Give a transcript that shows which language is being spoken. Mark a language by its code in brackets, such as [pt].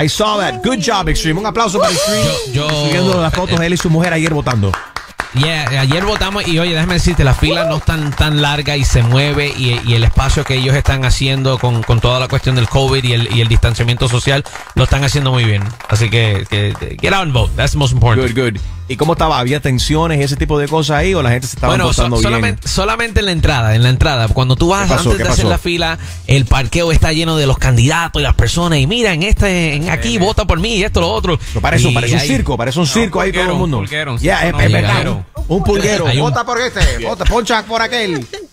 [en] I saw that. Good job, Extreme. [es] Un aplauso para Extreme. Siguiendo las fotos de él y su mujer ayer votando. Yeah, ayer votamos y oye, déjame decirte, la fila no es tan larga y se mueve y el espacio que ellos están haciendo con toda la cuestión del COVID y el distanciamiento social, lo están haciendo muy bien. Así que [en] get out and vote, that's the most important. Good, good. [es] ¿Y cómo estaba? ¿Había tensiones y ese tipo de cosas ahí o la gente se estaba votando bien? Solamente en la entrada, cuando tú vas antes de hacer la fila, el parqueo está lleno de los candidatos y las personas y mira, en aquí, vota por mí y esto, lo otro. Parece un circo ahí todo el mundo. Un pulguero, vota por este, vota, poncha por aquel.